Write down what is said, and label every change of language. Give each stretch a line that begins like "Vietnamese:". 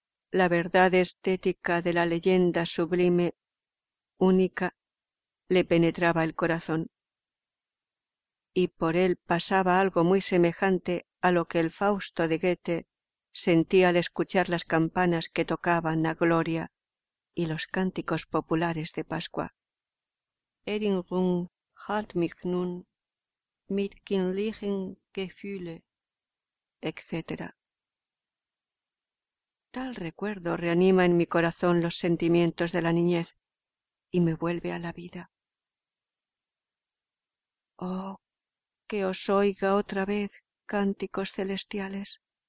Spanish: La verdad estética de la leyenda sublime, única, le penetraba el corazón, y por él pasaba algo muy semejante a lo que el Fausto de Goethe sentía al escuchar las campanas que tocaban a gloria y los cánticos populares de Pascua.
German: Erinnerung hat mich nun mit kindlichen Gefühle, etc.
Spanish: Tal recuerdo reanima en mi corazón los sentimientos de la niñez y me vuelve a la vida. Oh, que os oiga otra vez, cánticos celestiales.